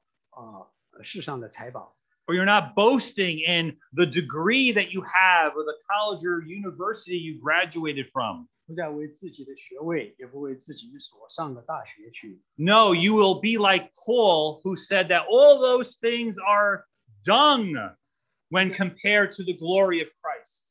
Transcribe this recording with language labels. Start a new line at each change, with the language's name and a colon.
Chinese: 你不再依靠钱财，不再依靠世上的财宝。
English: Or you're not boasting in the degree that you have or the college or university you graduated from.
Chinese: 不再为自己的学位，也不为自己所上的大学去。
English: No, you will be like Paul, who said that all those things are dung when compared to the glory of Christ.